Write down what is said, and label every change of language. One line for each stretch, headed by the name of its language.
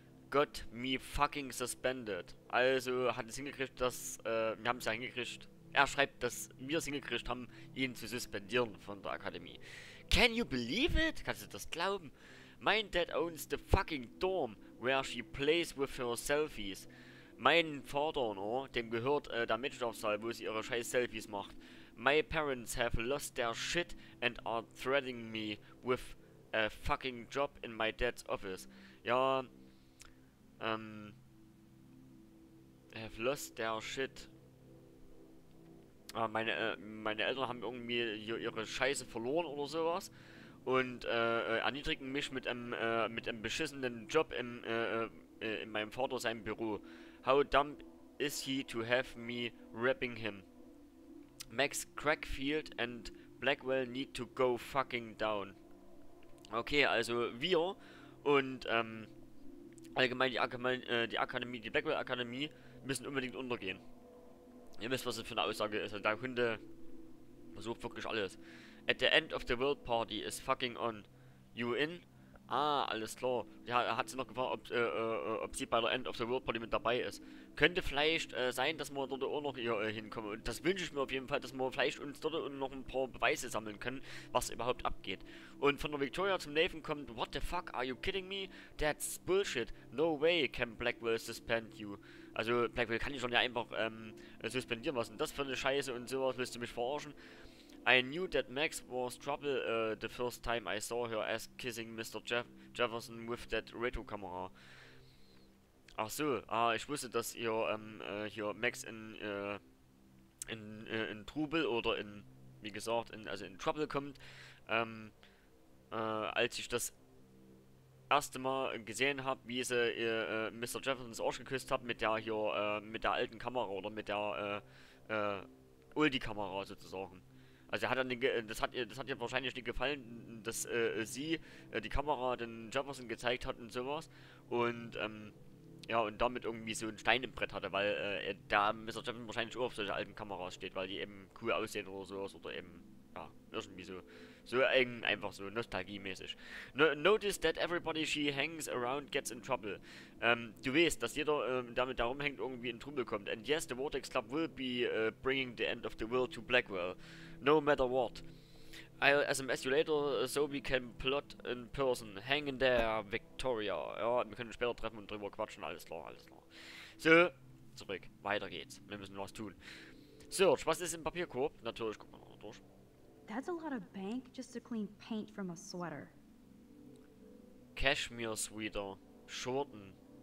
English: Got me fucking suspended.
German: Also, hat es hingekriegt, dass, wir haben es ja hingekriegt. Er schreibt, dass wir es hingekriegt haben, ihn zu suspendieren von der Akademie.
English: Can you believe it?
German: Kannst du das glauben?
English: My dad owns the fucking dorm, where she plays with her selfies.
German: Mein Vater, no, dem gehört der Mitschlafsaal, wo sie ihre scheiß Selfies macht.
English: My parents have lost their shit and are threatening me with a fucking job in my dad's office. Ja, have lost their shit.
German: Meine Eltern haben irgendwie hier ihre Scheiße verloren oder sowas und erniedrigen mich mit einem beschissenen Job in meinem Vater seinem Büro.
English: How dumb is he to have me rapping him? Max Crackfield and Blackwell need to go fucking down.
German: Okay, also wir und allgemein die Akademie, die Blackwell Akademie müssen unbedingt untergehen. Ihr wisst, was das für eine Aussage ist. Der Hunde versucht wirklich alles.
English: At the end of the world party is fucking on. You in?
German: Ah, alles klar. Ja, hat sie noch gefragt, ob sie bei der End of the World Party mit dabei ist. Könnte vielleicht sein, dass wir dort auch noch hier hinkommen. Und das wünsche ich mir auf jeden Fall, dass wir vielleicht uns dort auch noch ein paar Beweise sammeln können, was überhaupt abgeht. Und von der Victoria zum Nathan kommt,
English: what the fuck, are you kidding me? That's bullshit. No way can Blackwell suspend you.
German: Also Blackwell kann ich schon ja einfach suspendieren lassen. Das für eine Scheiße und sowas, willst du mich verarschen?
English: I knew that Max was trouble the first time I saw her ass kissing Mr. Jefferson with that Retro-Kamera.
German: Ach so, ich wusste, dass ihr hier Max in Trubel oder in, wie gesagt, in Trouble kommt, als ich das erste Mal gesehen habe, wie sie ihr Mr. Jeffersons Arsch geküsst hat mit der hier mit der alten Kamera oder mit der Uldi-Kamera sozusagen. Also das hat ihr wahrscheinlich nicht gefallen, dass sie die Kamera den Jefferson gezeigt hat und sowas und und damit irgendwie so ein Stein im Brett hatte, weil da Mr. Jefferson wahrscheinlich auch auf solche alten Kameras steht, weil die eben cool aussehen oder sowas oder eben ja irgendwie so einfach so nostalgiemäßig.
English: Notice that everybody she hangs around gets in trouble.
German: Du weißt, dass jeder damit darum hängt irgendwie in Trouble kommt.
English: And yes, the Vortex Club will be bringing the end of the world to Blackwell. No matter what. I'll SMS you later, so we can plot in person. Hang in there, Victoria.
German: Ja, wir können später treffen und drüber quatschen. Alles klar. So, zurück. Weiter geht's. Wir müssen was tun. Search, was ist im Papierkorb? Natürlich, gucken wir mal durch.
English: That's a lot of bank just to clean paint from a sweater. Cashmere sweater. Shorten.